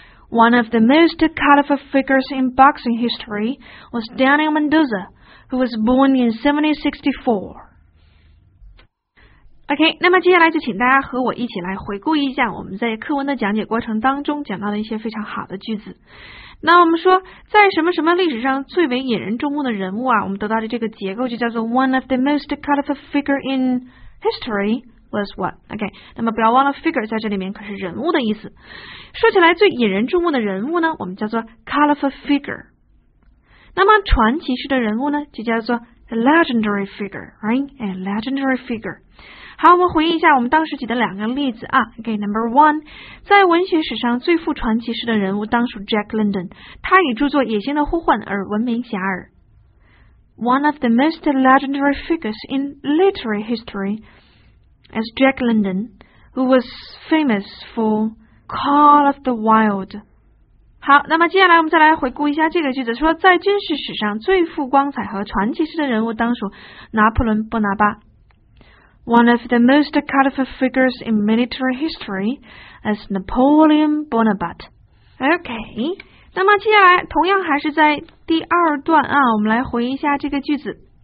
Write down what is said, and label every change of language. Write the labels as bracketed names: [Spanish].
[English] One of the most colorful figures in boxing history was Daniel Mendoza, who was born in 1764. [Chinese] OK， 那么接下来就请大家和我一起来回顾一下我们在课文的讲解过程当中讲到的一些非常好的句子。那我们说在什么什么历史上最为引人注目的人物啊，我们得到的这个结构就叫做 [English] One of the most colorful figure in history was what? [Chinese] OK， 那么不要忘了 figure 在这里面可是人物的意思。说起来最引人注目的人物呢，我们叫做 [English] colorful figure。 [Chinese] 那么传奇式的人物呢，就叫做 [English] legendary figure， right? A legendary figure。 [Chinese] 好，我们回忆一下我们当时举的两个例子啊。 [English] Okay, number one， [Chinese] 在文学史上最富传奇式的人物当属 Jack London， 他以著作《野心的呼唤》而闻名遐迩。 [English] One of the most legendary figures in literary history is Jack London, who was famous for Call of the Wild。 [Chinese] 好，那么接下来我们再来回顾一下这个句子，说在军事史上最富光彩和传奇式的人物当属拿破仑·波拿巴。 [English] One of the most colorful figures in military history is Napoleon Bonaparte. [Chinese] Okay, 那么接下来同样还是在第二段啊，我们来回忆一下这个句子。